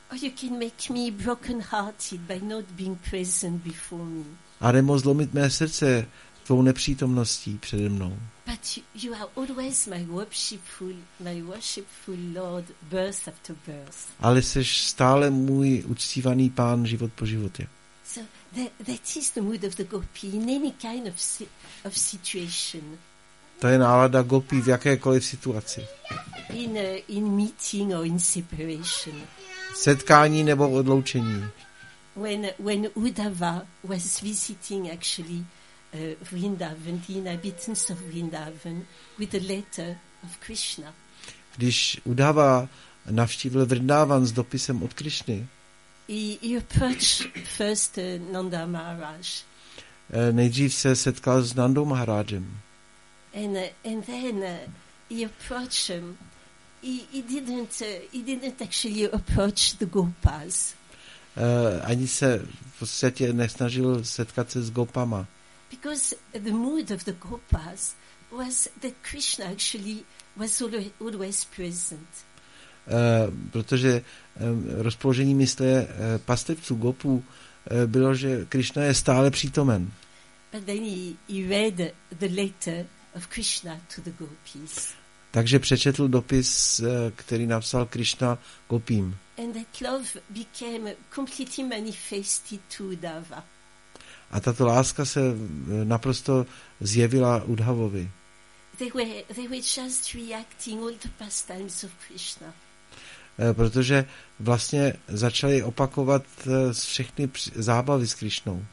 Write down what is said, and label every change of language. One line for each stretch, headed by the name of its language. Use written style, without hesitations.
English: Or you can make me broken-hearted by not being present before me.
Czech: A nebo zlomit mé srdce tvou nepřítomností přede mnou.
English: But you are always my worshipful Lord, birth after birth.
Czech: Ale jsi stále můj uctívaný pán život po životě.
English: So that is the mood of the gopi in any kind of situation.
Czech: To je nálada gopi v jakékoliv situaci.
English: In meeting or in separation.
Czech: Setkání nebo odloučení.
English: When Uddhava was visiting actually Vrindavan, the inhabitants of Vrindavan, with a letter of Krishna.
Czech: Když Uddhava navštívil Vrindavan s dopisem od Krishny.
English: He approached first Nanda Maharaj.
Czech: Nejdřív se setkal s Nandou Maharajem.
English: And then he approached him. He didn't actually approach the gopas.
Czech: Ani se v podstatě nesnažil setkat se s gopama.
English: Because the mood of the gopas was that Krishna actually was always present.
Czech: Protože rozpoložení mysle pastevců gopů bylo, že Krishna je stále přítomen.
English: But then he read the letter of Krishna to the gopis.
Czech: Takže přečetl dopis, který napsal Krishna gopím.
English: And that love became completely manifested to Uddhava.
Czech: A tato láska se naprosto zjevila Uddhavovi.
English: They were just reacting all the pastimes of Krishna.
Czech: Protože vlastně začali opakovat všechny zábavy s Krishnou.